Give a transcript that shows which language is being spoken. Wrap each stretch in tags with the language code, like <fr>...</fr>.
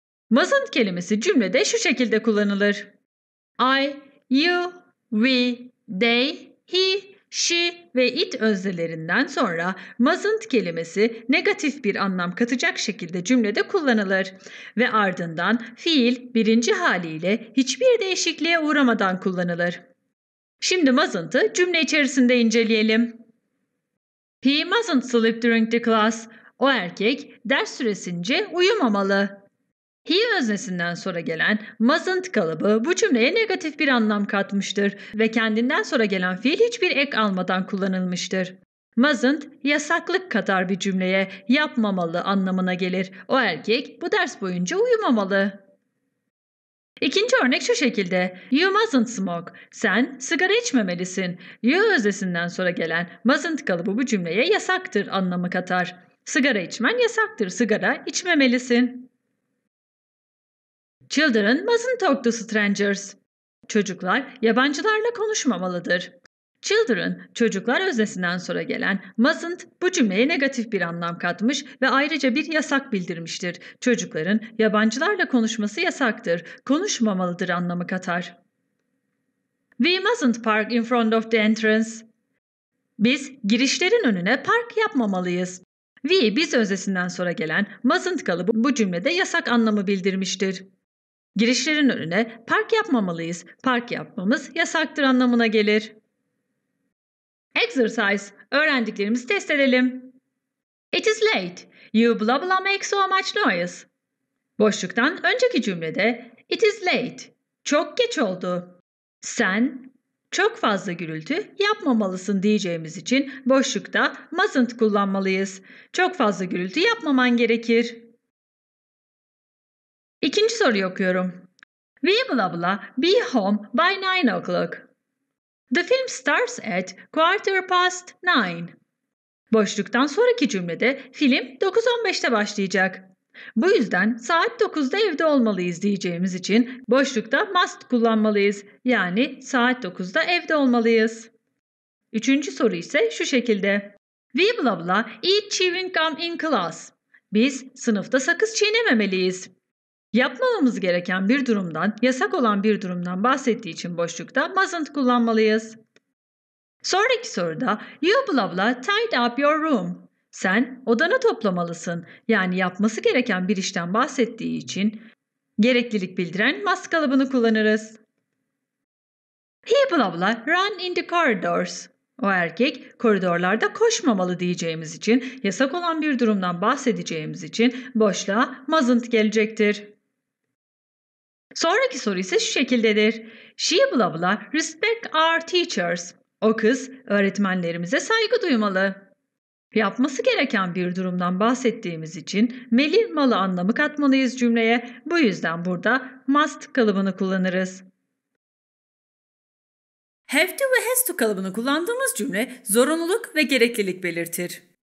<tr>Mustn't kelimesi cümlede şu şekilde kullanılır. I, you, we, they, he, she ve it öznelerinden sonra mustn't kelimesi negatif bir anlam katacak şekilde cümlede kullanılır ve ardından fiil birinci haliyle hiçbir değişikliğe uğramadan kullanılır. Şimdi mustn't'ı cümle içerisinde inceleyelim.</tr> <en>He mustn't sleep during the class.</en> <tr>O erkek ders süresince uyumamalı. He öznesinden sonra gelen mustn't kalıbı bu cümleye negatif bir anlam katmıştır ve kendinden sonra gelen fiil hiçbir ek almadan kullanılmıştır. Mustn't yasaklık katar bir cümleye yapmamalı anlamına gelir. O erkek bu ders boyunca uyumamalı. İkinci örnek şu şekilde.</tr> <en>You mustn't smoke.</en> <tr>Sen sigara içmemelisin. You öznesinden sonra gelen mustn't kalıbı bu cümleye yasaktır anlamı katar. Sigara içmen yasaktır. Sigara içmemelisin.</tr> <en>Children mustn't talk to strangers.</en> <tr>Çocuklar yabancılarla konuşmamalıdır. Children, çocuklar öznesinden sonra gelen mustn't bu cümleye negatif bir anlam katmış ve ayrıca bir yasak bildirmiştir. Çocukların yabancılarla konuşması yasaktır, konuşmamalıdır anlamı katar.</tr> <en>We mustn't park in front of the entrance.</en> <tr>Biz girişlerin önüne park yapmamalıyız. We, biz öznesinden sonra gelen mustn't kalıbı bu cümlede yasak anlamı bildirmiştir. Girişlerin önüne park yapmamalıyız. Park yapmamız yasaktır anlamına gelir. Exercise. Öğrendiklerimizi test edelim.</tr> <en>It is late. You blah blah make so much noise.</en> <tr>Boşluktan önceki cümlede</tr> <en>it is late.</en> <tr>Çok geç oldu. Sen çok fazla gürültü yapmamalısın diyeceğimiz için boşlukta mustn't kullanmalıyız. Çok fazla gürültü yapmaman gerekir. İkinci soruyu okuyorum.</tr> <en>We blah blah be home by 9 o'clock. The film starts at 9:15.</en> <tr>Boşluktan sonraki cümlede film 9:15'te başlayacak. Bu yüzden saat 9'da evde olmalıyız diyeceğimiz için boşlukta must kullanmalıyız. Yani saat 9'da evde olmalıyız. Üçüncü soru ise şu şekilde.</tr> <en>We blah blah eat chewing gum in class.</en> <tr>Biz sınıfta sakız çiğnememeliyiz. Yapmamamız gereken bir durumdan, yasak olan bir durumdan bahsettiği için boşlukta mustn't kullanmalıyız. Sonraki soruda</tr> <en>you blah blah tied up your room.</en> <tr>Sen odanı toplamalısın. Yani yapması gereken bir işten bahsettiği için gereklilik bildiren must kalıbını kullanırız.</tr> <en>He blah blah run in the corridors.</en> <tr>O erkek koridorlarda koşmamalı diyeceğimiz için, yasak olan bir durumdan bahsedeceğimiz için boşluğa mustn't gelecektir. Sonraki soru ise şu şekildedir. She blah blah respect our teachers. O kız öğretmenlerimize saygı duymalı. Yapması gereken bir durumdan bahsettiğimiz için meli malı anlamı katmalıyız cümleye. Bu yüzden burada must kalıbını kullanırız. Have to ve has to kalıbını kullandığımız cümle zorunluluk ve gereklilik belirtir.</tr>